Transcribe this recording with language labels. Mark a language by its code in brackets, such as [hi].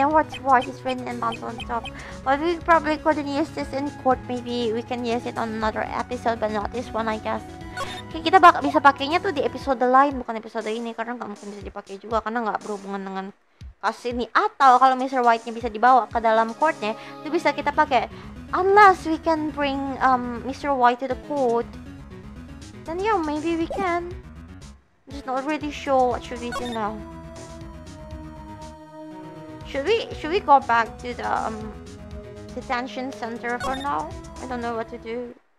[en] Then what is written in bottom on top. But we probably couldn't use this in court. Maybe we can use it on another episode, but not this one, I guess. [id] Okay, kita bisa pakainya tuh di episode lain, bukan episode ini, karena nggak mungkin bisa dipakai juga, karena nggak berhubungan dengan kasus ini. Atau kalau Mr. White nya bisa dibawa ke dalam courtnya, itu bisa kita pakai. [en] Unless we can bring Mr. White to the court, then yeah, maybe we can. I'm just not really sure what should we do now. Should we go back to the detention center for now? I don't know what to do.